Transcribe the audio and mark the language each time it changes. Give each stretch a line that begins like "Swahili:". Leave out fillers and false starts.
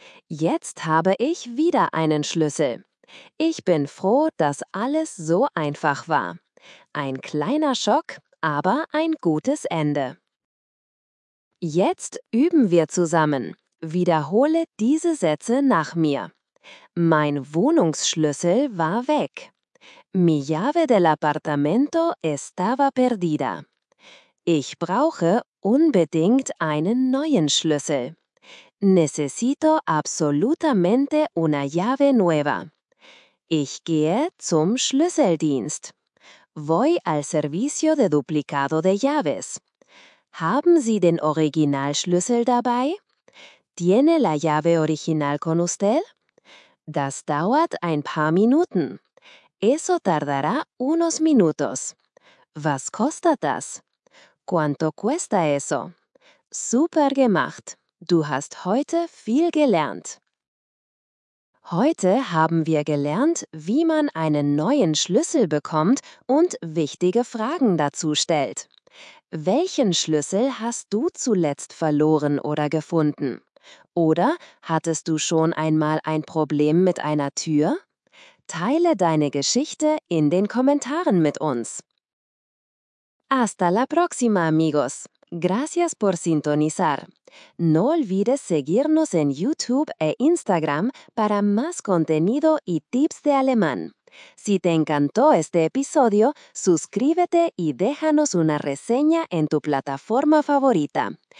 German: Jetzt habe ich wieder einen Schlüssel. Ich bin froh, dass alles so einfach war. Ein kleiner Schock, aber ein gutes Ende. Jetzt üben wir zusammen. Wiederhole diese Sätze nach mir. Mein Wohnungsschlüssel war weg.
Spanish: Mi llave del apartamento estaba perdida.
German: Ich brauche unbedingt einen neuen Schlüssel.
Spanish: Necesito absolutamente una llave nueva.
German: Ich gehe zum Schlüsseldienst.
Spanish: Voy al servicio de duplicado de llaves.
German: Haben Sie den Originalschlüssel dabei?
Spanish: ¿Tiene la llave original con usted?
German: Das dauert ein paar Minuten.
Spanish: Eso tardará unos minutos.
German: Was kostet das?
Spanish: ¿Cuánto cuesta eso?
German: Super gemacht. Du hast heute viel gelernt. Heute haben wir gelernt, wie man einen neuen Schlüssel bekommt und wichtige Fragen dazu stellt. Welchen Schlüssel hast du zuletzt verloren oder gefunden? Oder hattest du schon einmal ein Problem mit einer Tür? Teile deine Geschichte in den Kommentaren mit uns.
Spanish: Hasta la próxima, amigos. Gracias por sintonizar. No olvides seguirnos en YouTube e Instagram para más contenido y tips de alemán. Si te encantó este episodio, suscríbete y déjanos una reseña en tu plataforma favorita.